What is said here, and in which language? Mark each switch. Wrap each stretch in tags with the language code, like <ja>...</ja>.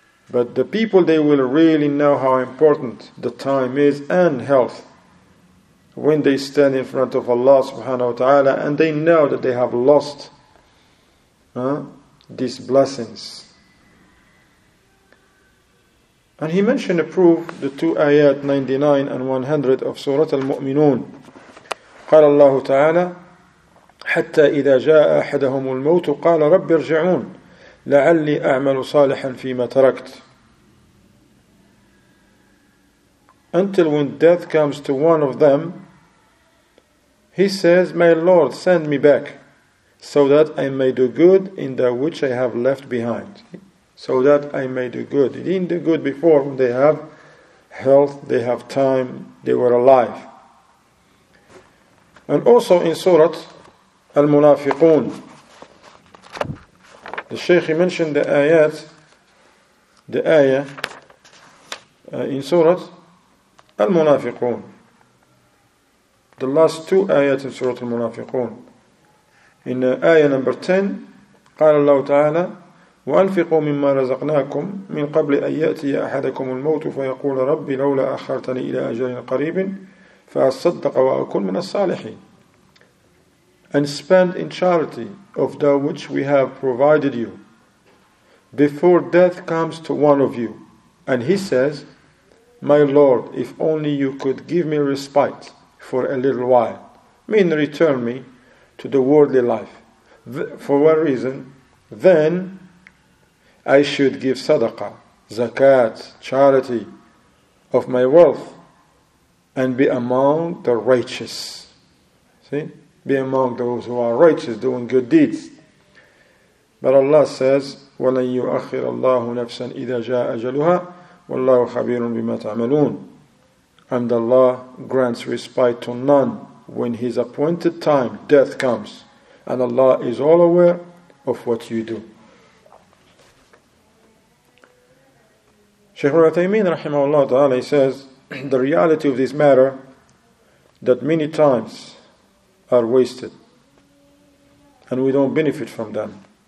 <en>But the people, they will really know how important the time is and health when they stand in front of Allah subhanahu wa ta'ala, and they know that they have lost these blessings. And he mentioned a proof, the two ayat 99 and 100 of Surah Al-Mu'minun.</en> <ar>قال الله تعالى حتى إذا جاء أحدهم الموت قال رب ارجعون لعلي أعمل صالحا فيما تركت.</ar> <en>Until when death comes to one of them, he says, my Lord, send me back so that I may do good in that which I have left behind. So that I may do good. They didn't do good before when they have health, they have time, they were alive. And also in Surah Al-Munafiqun, the Shaykh mentioned the ayah in Surah Al-Munafiqun, the last two ayahs in Surah Al-Munafiqun. In ayah number 10,</en> <ar>قال الله تعالى وأنفقوا مما رزقناكم من قبل أن يأتي أحدكم الموت فيقول ربي لولا أخرتني إلى أجل قريب فأصدق وأكون من الصالحين.</ar> <en>And spend in charity of that which we have provided you before death comes to one of you. And he says, my Lord, if only you could give me respite for a little while, mean return me to the worldly life. For what reason? Then I should give sadaqah, zakat, charity of my wealth and be among the righteous. See? Be among those who are righteous, doing good deeds. But Allah says,</en> <ar>وَلَنْ يُؤَخِّرَ اللَّهُ نَفْسًا إِذَا جَاءَ أَجَلُهَا وَاللَّهُ خَبِيرٌ بِمَا تَعْمَلُونَ.</ar> <en>And Allah grants respite to none when His appointed time, death, comes. And Allah is all aware of what you do. Shaykh Al-Uthaymeen rahimahullah ta'ala, he says, the reality of this matter, that many times are wasted and we don't benefit from them.</en>